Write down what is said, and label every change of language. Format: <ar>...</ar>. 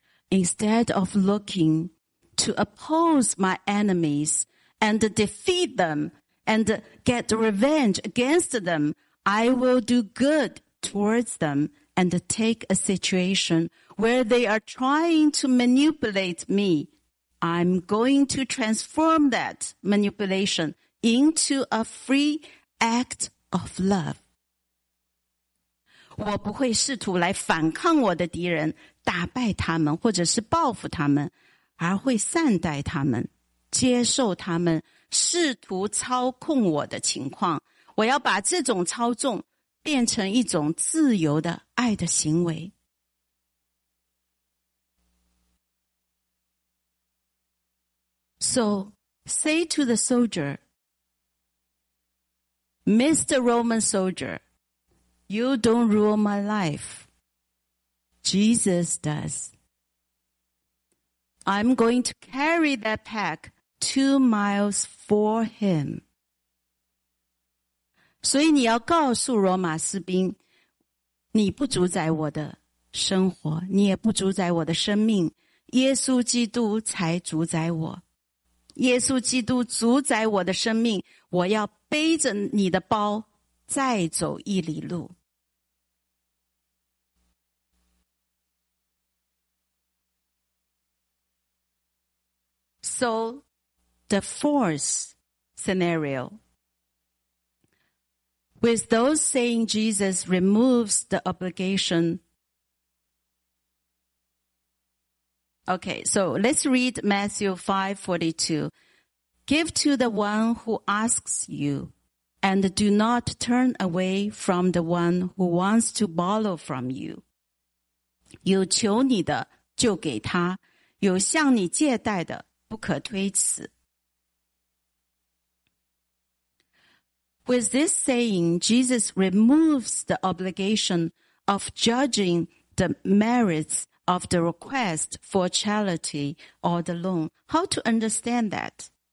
<en>Instead of looking to oppose my enemies and defeat them and get revenge against them, I will do good towards them and take a situation where they are trying to manipulate me, I'm going to transform that manipulation into a free act of love.</en> <zh>我不会试图来反抗我的敌人，打败他们，或者是报复他们，而会善待他们，接受他们试图操控我的情况。我要把这种操纵变成一种自由的爱的行为。</zh> <en>So, say to the soldier, Mr. Roman soldier, you don't rule my life. Jesus does. I'm going to carry that pack 2 miles for him.</en> <zh>所以你要告诉罗马士兵，你不主宰我的生活，你也不主宰我的生命，耶稣基督才主宰我。耶稣基督主宰我的生命，我要背着你的包再走一里路。</zh> <en>So, the fourth scenario. With those saying Jesus removes the obligation. Okay, so let's read Matthew 5:42. Give to the one who asks you, and do not turn away from the one who wants to borrow from you.</en> <zh>有求你的就给他，有向你借贷的不可推辞。</zh> <en>With this saying, Jesus removes the obligation of judging the merits of the request for charity or the loan. How to understand that?</en>